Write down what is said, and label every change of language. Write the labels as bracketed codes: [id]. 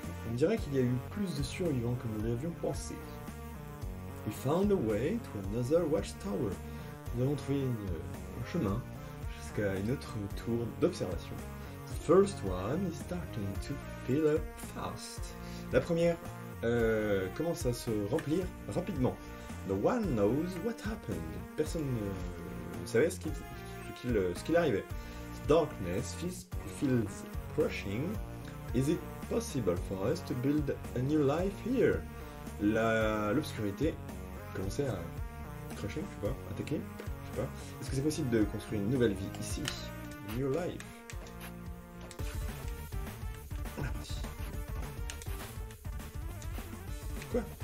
[fr] On dirait qu'il y a eu plus de survivants que nous l'avions pensé. [en] We found a way to another watchtower. [fr] Nous avons trouvé un chemin jusqu'à une autre tour d'observation. [en] The first one is starting to fill up fast. [fr] La première commence à se remplir rapidement. [en] No one knows what happened. [fr] Personne ne savait ce qu'il arrivait. [en] darkness feels crushing, is it possible for us to build a new life here? [fr] L'obscurité commençait à crusher, je sais pas, attaquer, je sais pas. Est-ce que c'est possible de construire une nouvelle vie ici? [en] New life. [fr] Quoi?